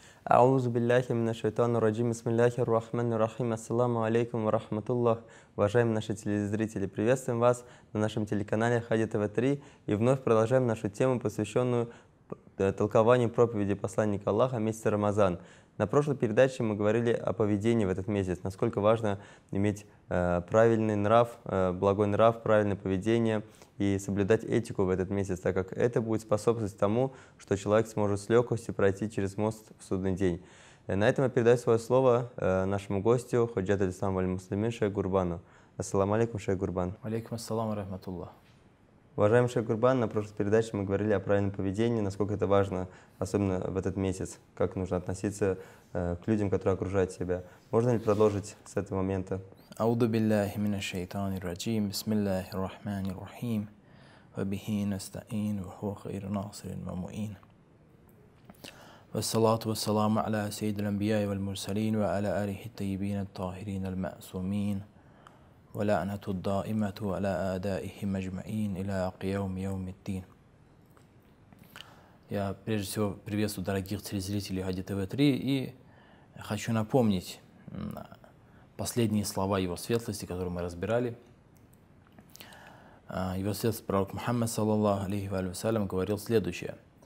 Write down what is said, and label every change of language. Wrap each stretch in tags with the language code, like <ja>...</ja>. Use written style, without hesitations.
<ar>أعوذ بالله من الشيطان الرجيم. بسم الله الرحمن الرحيم. السلام عليكум ва рахматуллах.</ar> <ru>Уважаемые наши телезрители, приветствуем вас на нашем телеканале Хади ТВ 3 и вновь продолжаем нашу тему, посвященную толкованию проповеди посланника Аллаха месяца Рамазан. На прошлой передаче мы говорили о поведении в этот месяц, насколько важно иметь правильный нрав, благой нрав, правильное поведение и соблюдать этику в этот месяц, так как это будет способствовать тому, что человек сможет с легкостью пройти через мост в судный день. На этом я передаю свое слово нашему гостю, Ходжат Аль-Ислам Валь-Муслимин, шейх Гурбану. Ассаламу алейкум, шейх Гурбан. Алейкум ассалам ва рахматуллах. Уважаемый шейх Гурбан, на прошлой передаче мы говорили о правильном поведении, насколько это важно, особенно в этот месяц, как нужно относиться к людям, которые окружают тебя. Можно ли продолжить с этого момента?</ru> <ar>أعوذ بالله من الشيطان الرجيم بسم الله الرحمن الرحيم وبه نستعين وهو خير ناصر ومعين والصلاة والسلام على سيد الأنبياء والمرسلين وعلى آله الطيبين الطاهرين المعصومين ولعنة الدائمة على أعدائهم أجمعين إلى قيام يوم الدين.</ar> <ru>Я прежде всего приветствую дорогих телезрителей Хади ТВ 3 и хочу напомнить последние слова Его Светлости, которые мы разбирали. Его Светлость Пророк Мухаммад, саллаллаху алейхи ва саллям, говорил следующее.</ru>